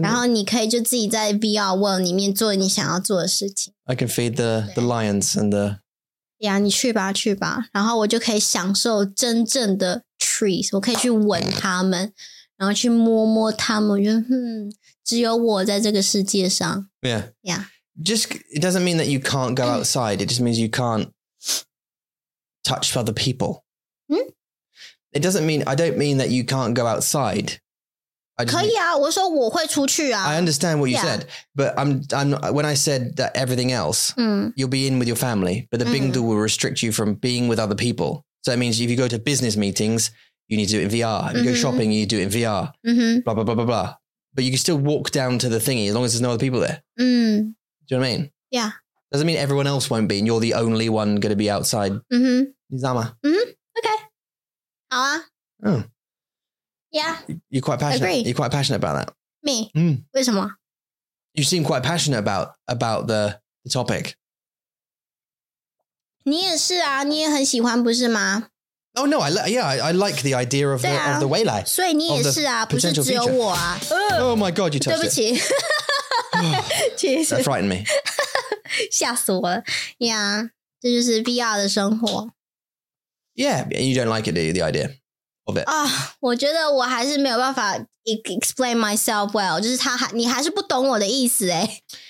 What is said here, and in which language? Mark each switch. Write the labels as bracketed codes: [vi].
[zh] 然后你可以就自己在 VR world 里面做你想要做的事情。 [en] I can feed the lions and the... Yeah, [zh] 你去吧，去吧。然后我就可以享受真正的trees, 我可以去闻它们，然后去摸摸它们，我觉得只有我在这个世界上。 [en] Yeah. Yeah. Just, it doesn't mean that you can't go outside, it just means you can't touch other people. It doesn't mean, I don't mean that you can't go outside. [zh] 可以啊，我说我会出去啊。 [en] I understand what you said, but I'm not, when I said that everything else, you'll be in with your family, but the Bingdu will restrict you from being with other people. So that means if you go to business meetings, you need to do it in VR. If you、mm-hmm. go shopping, you need to do it in VR.、 Mm-hmm. Blah, blah, blah, blah, blah. But you can still walk down to the thingy as long as there's no other people there.、 Mm. Do you know what I mean? Yeah. Doesn't mean everyone else won't be and you're the only one going to be outside. Mm-hmm. Nizama. Mm-hmm. Okay. [zh] 好啊。 Oh. [en] Yeah. You're quite passionate. Agree. You're quite passionate about that. Me?、 Mm. [zh] 为什么? [en] You seem quite passionate about the topic. [zh] 你也是啊，你也很喜欢，不是吗？ [en] Oh no, I like the idea of the、啊、 of the [zh] 未来。所以你也是啊，不是只有我啊。 [en] Oh my god, you touched it. [zh] 对不起， [en] That frightened me. [zh] 吓死我了 ！ [en] Yeah, [zh] 这就是 VR 的生活。 [en] Yeah, you don't like it, do you, the idea of it? [zh] 啊、 [en] oh, [zh] ，我觉得我还是没有办法 [en] explain myself well. [zh] 就是你还是不懂我的意思哎。